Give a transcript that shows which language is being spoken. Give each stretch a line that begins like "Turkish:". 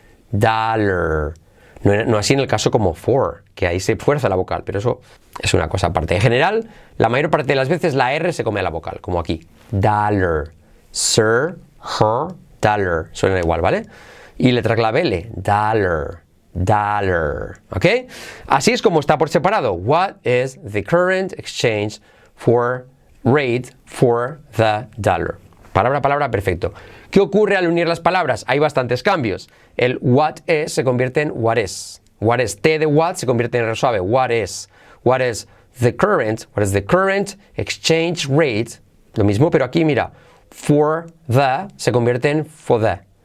Spanish: Dollar, no así en el caso como for, que ahí se fuerza la vocal, pero eso es una cosa aparte. En general, la mayor parte de las veces la R se come a la vocal, como aquí. Dollar, sir, her, dollar, suena igual, ¿vale? Y letra clave L, dollar, dollar, ¿ok? Así es como está por separado.
English: What is the current exchange for rate for the dollar?
Spanish: Palabra a palabra, perfecto. ¿Qué ocurre al unir las palabras? Hay bastantes cambios. El what is se convierte en what is.
English: What is,
Spanish: T de what se convierte en R suave, what is.
English: What is the current exchange rate?
Spanish: Lo mismo, pero aquí mira,
English: for the
Spanish: se convierte en for the.